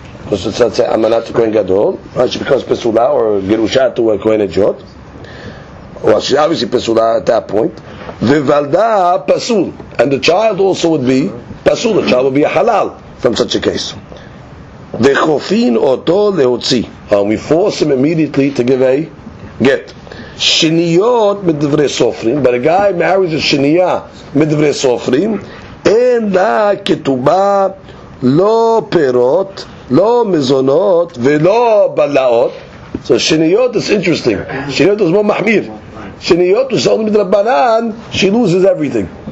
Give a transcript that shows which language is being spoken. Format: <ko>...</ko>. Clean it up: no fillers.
<en>Because it's a אמנת כהן גדול, she becomes פסולה, or גירושה to a כהן אג'וט, well, she obviously פסולה at that point,</en> <he>וולדה פסול,</he> <en>and the child also would be פסול, the child would be a חלל, from such a case.</en> <he>וחופין אותו להוציא.</he> <en>We force him immediately to give a get.</en> <he>שניות מדברי סופרים,</he> <en>but a guy marries a</en> <he>שנייה מדברי סופרים, אין לה כתובה לא פירות, לא מזונות, ולא בלעות.</he> <en>So שניות is interesting. שניות is more מחמיר.</en> <he>שניות הוא שאול מדרבנן,</he> <en>she loses everything.</en>